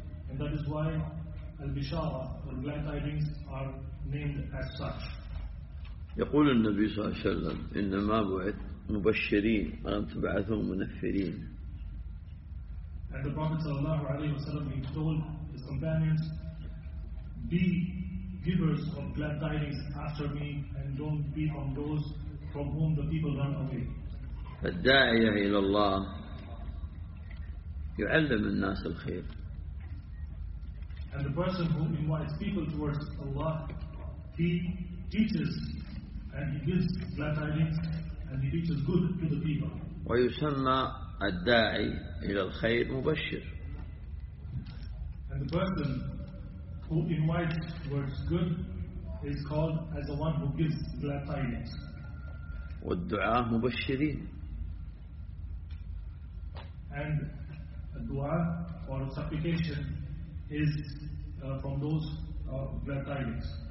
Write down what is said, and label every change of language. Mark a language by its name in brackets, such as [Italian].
[English] And that is why البشارة or glad tidings are named as such. [Arabic] يقول النبي صلى الله عليه وسلم: إنما بعث مبشرين ولم تبعثوا منفرين. [English] And the Prophet صلى الله عليه وسلم he told his companions: be givers of glad tidings after me, and don't be on those from whom the people run away. [Arabic] الداعية إلى الله يعلم الناس الخير. [English] And the person who invites people towards Allah, he teaches and he gives glad tidings and he teaches good to the people. [Arabic] ويسمى الداعي إلى الخير مبشر. [English] And the person who invites towards good is called as the one who gives glad tidings. [Arabic] والدعاء مبشرين. [English] And a dua or a supplication is from those glad tidings.